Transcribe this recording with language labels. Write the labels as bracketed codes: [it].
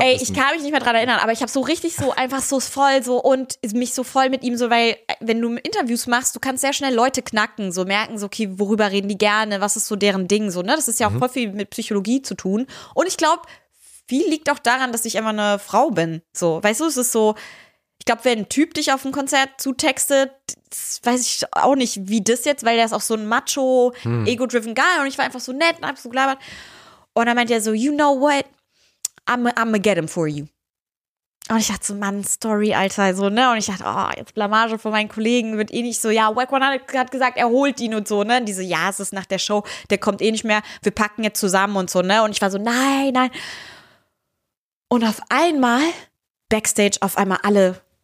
[de] wissen. Ey, ich kann mich nicht mehr dran erinnern, aber ich habe so richtig so einfach so voll so und mich so voll mit ihm so, weil wenn du Interviews machst, du kannst sehr schnell Leute knacken, so merken so, okay, worüber reden die gerne, was ist so deren Ding, so, ne? Das ist ja auch voll viel mit Psychologie zu tun. Und ich glaube, viel liegt auch daran, dass ich immer eine Frau bin. So, weißt du, es ist so, ich glaube, wenn ein Typ dich auf ein Konzert zutextet, weiß ich auch nicht, wie das jetzt, weil der ist auch so ein Macho, ego-driven Guy und ich war einfach so nett und hab so gelabert. Und dann meint er so, [en] you know what, I'm gonna get him for you. [de] Und ich dachte so, Mann, Story, Alter, so, ne? Und ich dachte, oh, jetzt Blamage von meinen Kollegen, wird eh nicht so, ja, WAC 100 hat gesagt, er holt ihn und so, ne? Und die so, ja, es ist nach der Show, der kommt eh nicht mehr, wir packen jetzt zusammen und so, ne? Und ich war so, nein, nein. Und auf einmal, Backstage, auf einmal alle